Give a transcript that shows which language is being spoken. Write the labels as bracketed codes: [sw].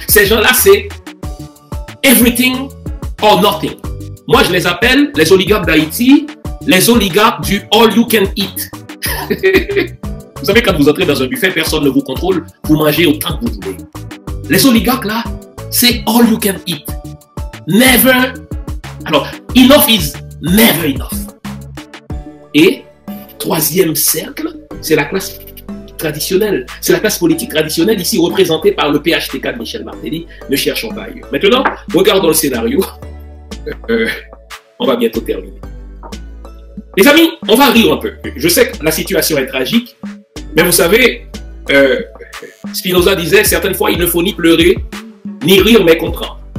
[fr] Ces gens-là, c'est [en] everything or nothing. [fr] Moi, je les appelle les oligarques d'Haïti, les oligarques du [en] all you can eat. [fr] Vous savez, quand vous entrez dans un buffet, personne ne vous contrôle, vous mangez autant que vous voulez. Les oligarques là, c'est [en] all you can eat. Never. [fr] Alors, [en] enough is never enough. [fr] Et troisième cercle, c'est la classe traditionnelle. C'est la classe politique traditionnelle ici représentée par le PHTK de Michel Martelly. Ne cherchons pas ailleurs. Maintenant, regardons le scénario. On va bientôt terminer. Les amis, on va rire un peu. Je sais que la situation est tragique, mais vous savez, Spinoza disait, certaines fois, il ne faut ni pleurer, ni rire, mais comprendre.